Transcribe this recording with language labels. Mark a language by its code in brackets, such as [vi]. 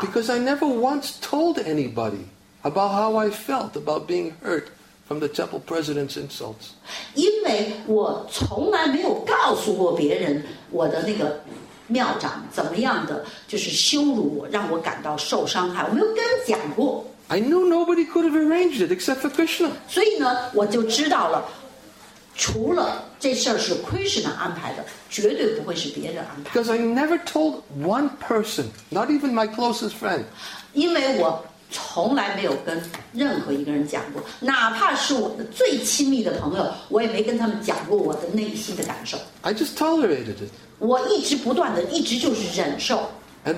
[en] Because I never once told anybody about how I felt about being hurt from the temple president's insults. [zh] 因为我从来没有告诉过别人我的那个庙长怎么样的就是羞辱我，让我感到受伤害。我没有跟人讲过。 [en] I knew nobody could have arranged it except for Krishna. [zh] 所以呢，我就知道了，除了这事儿是Krishna安排的，绝对不会是别人安排。 [en] Because I never told one person, not even my closest friend. [zh] 因为我 从来没有跟任何一个人讲过，哪怕是我的最亲密的朋友，我也没跟他们讲过我的内心的感受。 [en] I just tolerated it. [zh] 我一直不断的，一直就是忍受。 [en] And